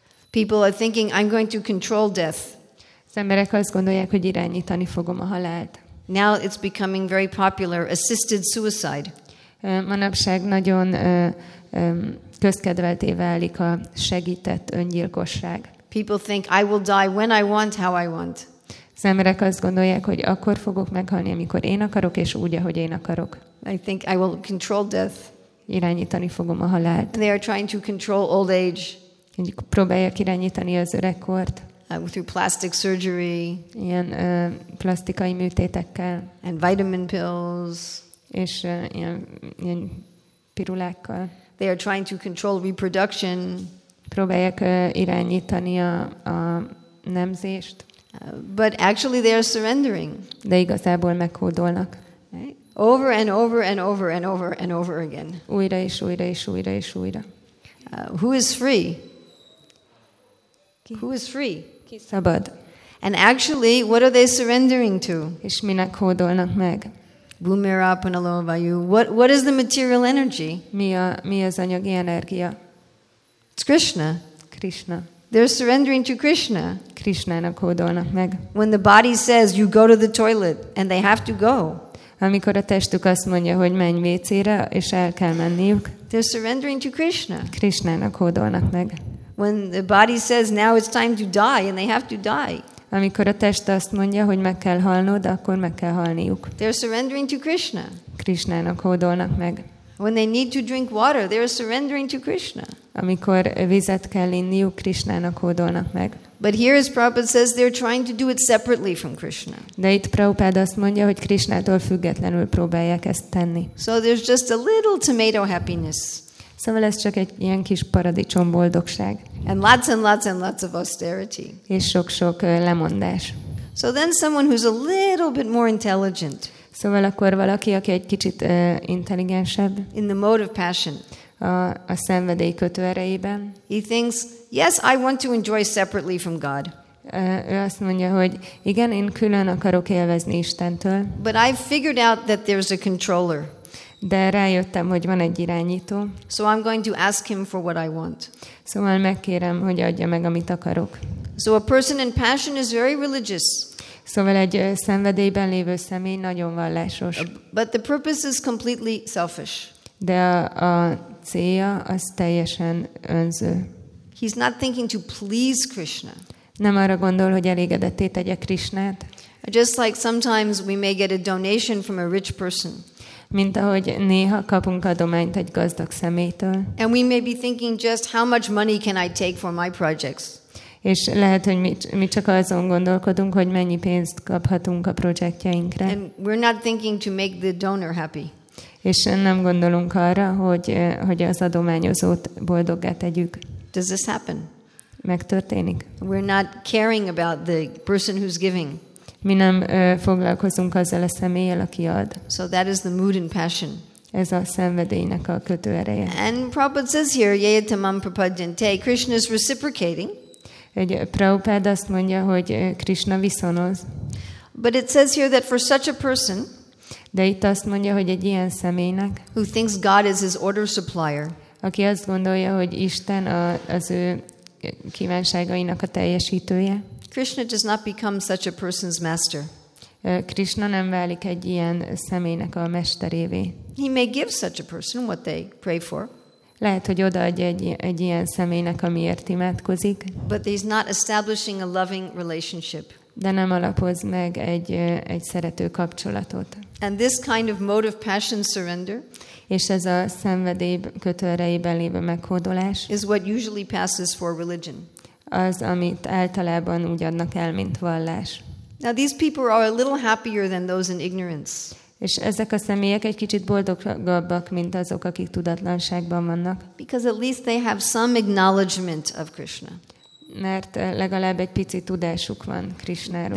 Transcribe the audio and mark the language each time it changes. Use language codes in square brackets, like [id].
[en] People are thinking, I'm going to control death. [hu] Az emberek azt gondolják, hogy irányítani fogom a halált. [en] Now it's becoming very popular, assisted suicide. [hu] Manapság nagyon közkedvelté válik a segített öngyilkosság. [en] People think I will die when I want, how I want. [hu] Az emberek azt gondolják, hogy akkor fogok meghalni, amikor én akarok, és úgy, ahogy én akarok. [en] I think I will control death. [hu] Irányítani fogom a halált. [en] They are trying to control old age. [hu] Próbálják irányítani az öregkort. [en] Through plastic surgery, [hu] ilyen plastikai műtétekkel, [en] and vitamin pills, [hu] és ilyen pirulákkal. [en] They are trying to control reproduction. [hu] Próbálják irányítani a nemzést. [en] But actually, they are surrendering. [hu] De igazából meghódolnak. [en] Right? Over and over and over and over and over again. [hu] Újra és újra és újra és újra. [en] Who is free? [hu] Ki? [en] Who is free? [hu] Szabad. [en] And actually, what are they surrendering to? [hu] És minek hódolnak meg? [sa] Bumira panalovayu. [en] What is the material energy? [hu] Mi az anyagi energia? [en] It's Krishna. [hu] Krishna. [en] They're surrendering to Krishna. [hu] Krishnának hódolnak meg. [en] When the body says you go to the toilet and they have to go. [hu] Amikor a testük azt mondja, hogy menj vécére, és el kell menniük. [en] They're surrendering to Krishna. [hu] Krishnának hódolnak meg. [en] When the body says now it's time to die and they have to die. [hu] Amikor a test azt mondja, hogy meg kell halnod, akkor meg kell halniuk. [en] They're surrendering to Krishna. [hu] Krishnának hódolnak meg. [en] When they need to drink water, they're surrendering to Krishna. [hu] Amikor vizet kell inniuk, Krishnának hódolnak meg. [en] But here as Prabhupada says they're trying to do it separately from Krishna. [hu] De itt Prabhupada azt mondja, hogy Krishnától függetlenül próbálják ezt tenni. [en] So there's just a little tomato happiness. [hu] Szóval ez csak egy ilyen kis paradicsom boldogság. [en] And lots and lots and lots of austerity. [hu] És sok-sok lemondás. [en] So then someone who's a little bit more intelligent. [hu] Szóval akkor valaki, aki egy kicsit intelligensebb. [en] In the mode of passion. [hu] A szenvedély kötő erejében. [en] He thinks, yes, I want to enjoy separately from God. [hu] Ő azt mondja, hogy igen, én külön akarok élvezni Istentől. [en] But I've figured out that there's a controller. [hu] De rájöttem, hogy van egy irányító. [en] So I'm going to ask him for what I want. [hu] Szóval megkérem, hogy adja meg, amit akarok. [en] So a person in passion is very religious. [hu] Szóval egy szenvedélyben lévő személy nagyon vallásos. [en] But the purpose is completely selfish. [hu] De a célja az teljesen önző. [en] He's not thinking to please Krishna. [hu] Nem arra gondol, hogy elégedetté tegye Krishnát. [en] Just like sometimes we may get a donation from a rich person. [hu] Mint ahogy néha kapunk adományt egy gazdag szemétől. [en] And we may be thinking just how much money can I take for my projects. [hu] És lehet, hogy mi csak azon gondolkodunk, hogy mennyi pénzt kaphatunk a projektjeinkre. [en] And we're not thinking to make the donor happy. [hu] És nem gondolunk arra, hogy az adományozót boldoggá tegyük. [en] Does this happen? [hu] Megtörténik. [en] We're not caring about the person who's giving. [hu] Mi nem foglalkozunk azzal a személlyel, aki ad. [en] So that is the mood and passion. [hu] Ez a szenvedélynek a kötő ereje. [en] And Prabhupada says here, [sa] yayatamam prapadyante, [en] Krishna is reciprocating. [hu] egy Prabhupád azt mondja, hogy Krishna viszonoz. [en] But it says here that for such a person, [hu] de itt azt mondja, hogy egy ilyen személynek, [en] who thinks God is his order supplier, [hu] aki azt gondolja, hogy Isten az ő kívánságainak a teljesítője, [en] Krishna does not become such a person's master. [hu] Krishna nem válik egy ilyen személynek a mesterévé. [en] He may give such a person what they pray for. [hu] Lehet, hogy odaadja egy ilyen személynek, amiért imádkozik. [en] But he's not establishing a loving relationship. [hu] De nem alapoz meg egy szerető kapcsolatot. [en] And this kind of mode of passion surrender, [hu] és ez a szenvedély kötőerejében lévő meghódolás, [en] is what usually passes for religion. [hu] Az, amit általában úgy adnak el, mint vallás. [en] Now these people are a little happier than those in ignorance. [hu] És ezek a személyek egy kicsit boldogabbak, mint azok, akik tudatlanságban vannak. [en] Because at least they have some acknowledgement of Krishna. [hu] Mert legalább egy pici tudásuk van Krishnáról.